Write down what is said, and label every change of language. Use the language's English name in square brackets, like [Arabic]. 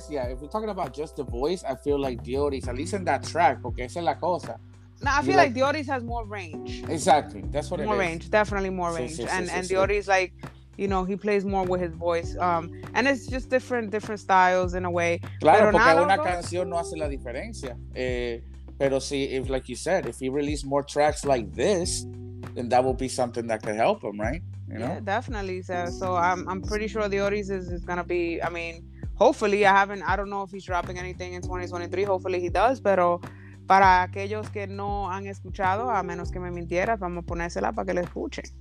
[English] if we're talking about just the voice, I feel like Dioris, at least in that track, [Spanish] porque esa es la cosa. [English] No, I feel like Dioris has more range. Exactly. That's what it is. More range. Definitely more range. Dioris, like, you know, he plays more with his voice. And it's just different styles in a way. [Spanish] Claro, pero porque una canción no hace la diferencia. Pero si, [English] if, like you said, if he released more tracks like this, then that would be something that could help him, right? You know? Yeah, definitely. So I'm pretty sure Dioris is going to be, I mean, hopefully, I don't know if he's dropping anything in 2023. Hopefully he does, pero... [Spanish] Para aquellos que no han escuchado, a menos que me mintieras, vamos a ponérsela para que la escuchen.